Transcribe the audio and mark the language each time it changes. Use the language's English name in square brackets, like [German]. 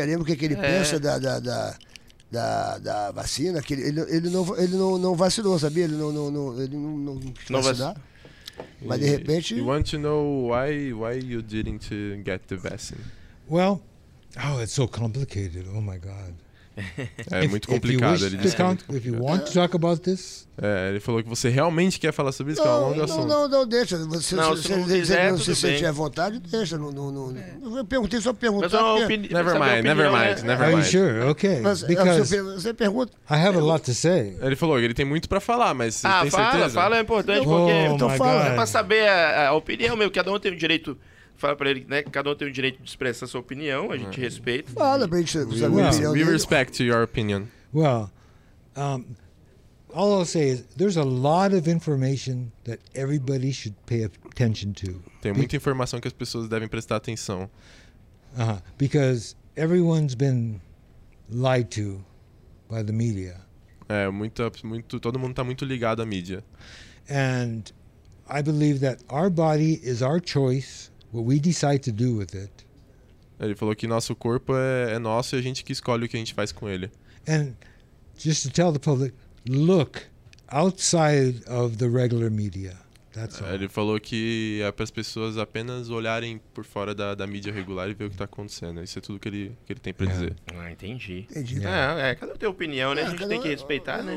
[Portuguese] M, o que ele pensa da vacina, que ele não vacinou, sabia? Ele não quis vacinar. Mas de repente. [English] You want to know why you didn't get the vaccine? Well, it's so complicated. Oh my God. [Portuguese] É muito complicado. [English] If you wish if you want to talk about this. [Portuguese] É, ele falou que você realmente quer falar sobre isso, não, que é um longo assunto. Não, deixa. Se você não se sentir à vontade, deixa. Eu perguntei, só perguntar. Mas [English] never mind. Are you sure? Okay. [Portuguese] Você pergunta. [English] I have a lot to say. [Portuguese] Ele falou que ele tem muito pra falar, mas tem certeza? Fala, é importante porque é pra saber a opinião mesmo. Cada um tem o direito. Fala pra ele, né? Cada um tem o direito de expressar sua opinião, a gente respeita. Fala pra gente. [English] We respect your opinion. Well, all I'll say is there's a lot of information that everybody should pay attention to. [Portuguese] Tem muita informação que as pessoas devem prestar atenção. [English] Because everyone's been lied to by the media. [Portuguese] É, todo mundo tá muito ligado à mídia. [English] And I believe that our body is our choice. What we decide to do with it. [Portuguese] Ele falou que nosso corpo é nosso e a gente que escolhe o que a gente faz com ele. [English] And just to tell the public, look outside of the regular media. That's all. [Portuguese] Ele falou que é para as pessoas apenas olharem por fora da mídia regular e ver o que está acontecendo. Isso é tudo que ele tem para dizer. Entendi. Cada um tem opinião, né? A gente tem que respeitar, né?